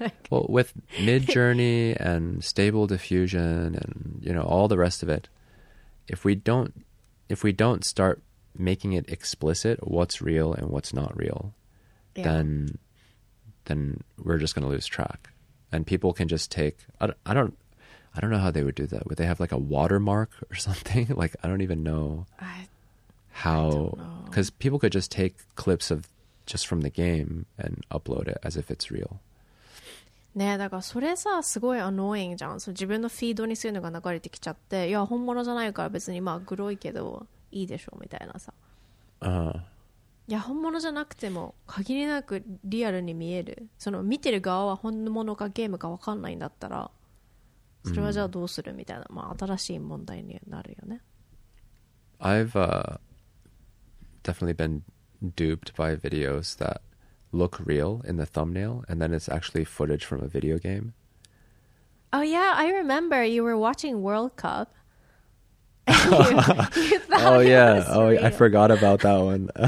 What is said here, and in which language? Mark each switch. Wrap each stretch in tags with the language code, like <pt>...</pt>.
<en>Well, with Midjourney and Stable Diffusion and, you know, all the rest of it, if we don't start making it explicit what's real and what's not real, then we're just going to lose track. And people can just take... I don't know how they would do that. Would they have like a watermark or something? Like, I don't even know how... Because people could just take clips of just from the game and upload it as if it's real.</en> <ja>ねえ、だからそれさ、すごいアノイングじゃん。その自分のフィードにそういうのが流れてきちゃって、いや、本物じゃないから別にまあ、グロいけどいいでしょうみたいなさ。いや、本物じゃなくても限りなくリアルに見える。その見てる側は本物かゲームか分かんないんだったら、それはじゃあどうするみたいな、まあ、新しい問題になるよね。</ja> <en>I've definitely been duped by videos that look real in the thumbnail, and then it's actually footage from a video game. Oh yeah, I remember you were watching World Cup. Oh yeah, I forgot about that one.</en>